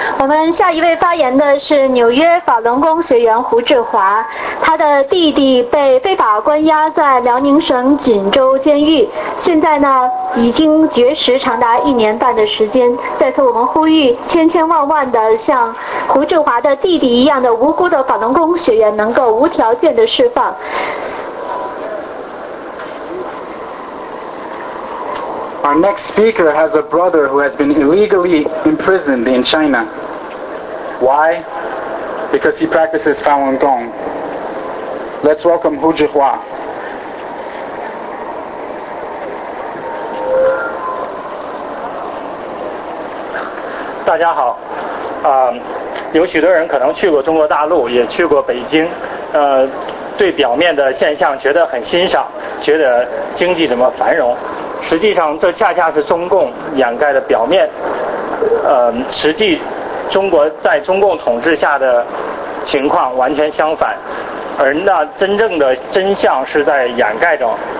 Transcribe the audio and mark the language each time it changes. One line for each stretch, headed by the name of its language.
Chinese: 我们下一位发言的是纽约法轮功学员胡志华，他的弟弟被非法关押在辽宁省锦州监狱，现在呢已经绝食长达1年半的时间。在此我们呼吁千千万万的像胡志华的弟弟一样的无辜的法轮功学员能够无条件的释放。
English: Our next speaker has a brother who has been illegally imprisoned in China. Why? Because he practices Falun Gong. Let's welcome Hu Zhihua. Hello, everyone. There are many people who have been to China and to Beijing.
Chinese: 对表面的现象觉得很欣赏，觉得经济怎么繁荣，实际上这恰恰是中共掩盖的表面，实际中国在中共统治下的情况完全相反，而那真正的真相是在掩盖中。